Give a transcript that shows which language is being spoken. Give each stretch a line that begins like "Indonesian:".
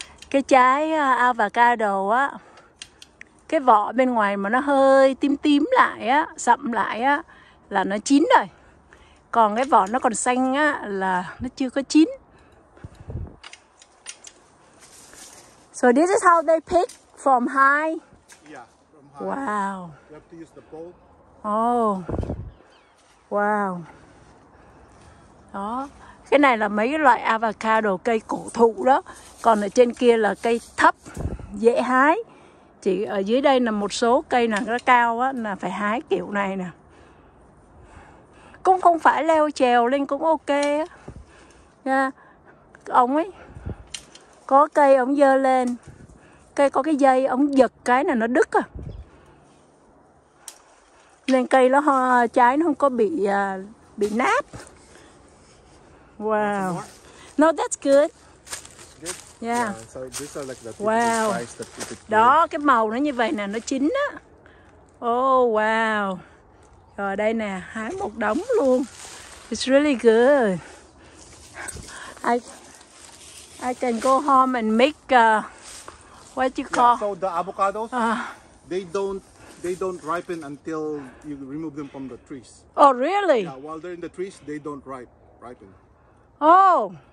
Vietnamese: cái trái avocado á, cái vỏ bên ngoài mà nó hơi tím tím lại á, sậm lại á, là nó chín rồi. Còn cái vỏ nó còn xanh á, là nó chưa có chín.
English: So this is how they pick from high. Wow. You have to use the bowl. Oh. Wow. Đó.
Vietnamese: Cái này là mấy loại avocado cây cổ thụ đó. Còn ở trên kia là cây thấp, dễ hái. Chỉ ở dưới đây là một số cây nào nó cao á, là phải hái kiểu này nè. Cũng không phải leo trèo lên cũng ok á. Yeah. Ông ấy có cây ông dơ lên. Cây có cái dây ông giật cái này nó đứt à. Nên cây nó trái nó không có bị nát.
English: Wow. No, that's good. Good. Yeah. So these are like the wow.
Vietnamese: Đó, cái màu nó như vậy nè, nó chín á. Oh, wow. Rồi đây nè, hái một đống luôn.
English: It's really good. I can go home and make what you call. Yeah, so the avocados, they don't ripen until you remove them from the trees. Oh, really? Yeah, while they're in the trees, they don't ripen. Oh.